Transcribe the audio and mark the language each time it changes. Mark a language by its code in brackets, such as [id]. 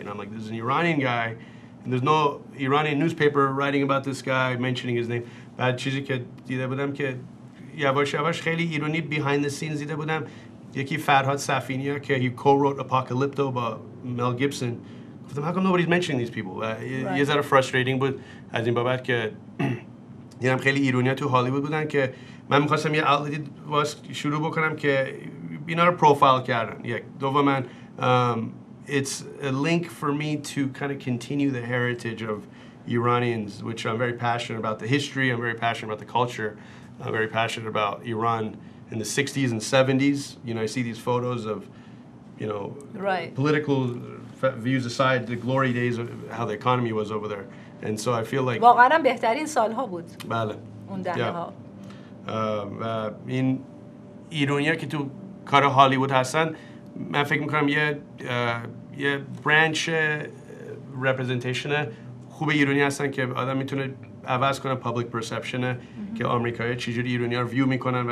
[en] And I'm like, this is an Iranian guy and there's no Iranian newspaper writing about this guy, mentioning his name. [fa] بعد چیزی که دیده بودم که یواش یواش خیلی ایرانی behind the scenes دیده بودم، یکی فرهاد صفینیا که he co-wrote Apocalypto با Mel Gibson. گفتم how come nobody's mentioning these people؟ یه ذره frustrating بود از این بابت که دیدم خیلی ایرانی ها تو هالیوود بودن که من میخواستم یه outlet شروع بکنم که اینا رو profile کردن. [en] یک دوباره من it's a link for me to kind of continue the heritage of Iranians, which I'm very passionate about the history, I'm very passionate about the culture, I'm very passionate about Iran in the 60s and 70s. You know, I see these photos of, you know, right. political views aside, the glory days of how the economy was over there. And so I feel like... [fa] واقعا هم بهترین سالها بود. بله. اون دهه ها. و این ایرانی ها که تو کار هالیوود هستن، من فکر میکنم یه برانچ رپرزنتیشن خوب ایرانی هستن که آدم میتونه عوض کنه پابلیک پرسپشن که آمریکایی چجوری ایرانی ها رو ویو میکنن.